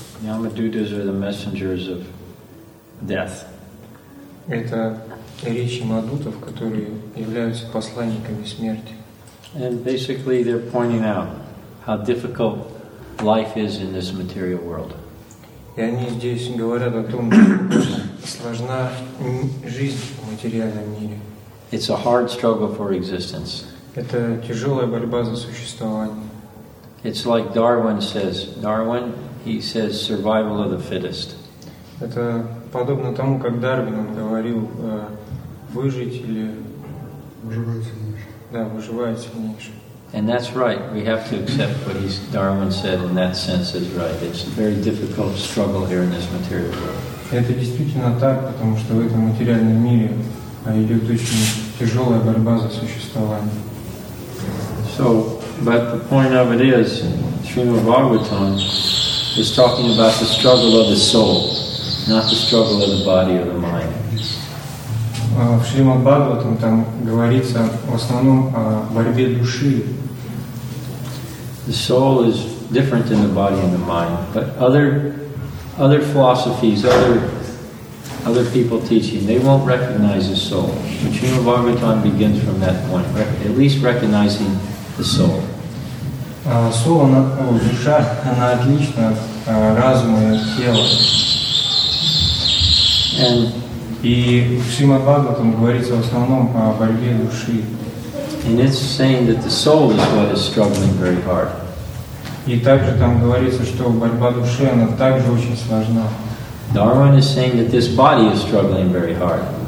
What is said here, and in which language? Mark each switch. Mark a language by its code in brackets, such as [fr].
[en] Yamadutas are the messengers of death. [ru] Это речи мадутов, которые являются посланниками смерти. [en] And basically, they're pointing out how difficult life is in this material world. [ru] И они здесь говорят о том, сложна жизнь в материальном мире. [en] It's a hard struggle for existence. [ru] Это тяжелая борьба за существование. [en] It's like Darwin says. Darwin, he says, survival of the fittest. [ru] Это подобно тому, как Дарвин говорил, выжить или выживать сильнейший. Да, выживает сильнейший. [en] And that's right. We have to accept what Darwin said in that sense is right. It's a very difficult struggle here in this material world. [ru] Это действительно так, потому что в этом материальном мире идет очень тяжелая борьба за существование. [en] So, but the point of it is, Srimad Bhagavatam is talking about the struggle of the soul, not the struggle of the body or the mind. [ru] В Шримад Бхагаватам там говорится в основном о борьбе души. [en] The soul is different than the body and the mind, but other philosophies, other people teaching, they won't recognize the soul. But Srimad Bhagavatam begins from that point, at least recognizing the soul. [ru] Душа, она отлична от разума и от тела. [en] And [ru] и в Шримад Бхагаватам говорится в основном о борьбе души. [en] And it's saying that the soul is what is struggling very hard. [ru] И также там говорится, что борьба души, она также очень сложна. [en] Darwin is saying that this body is struggling very hard.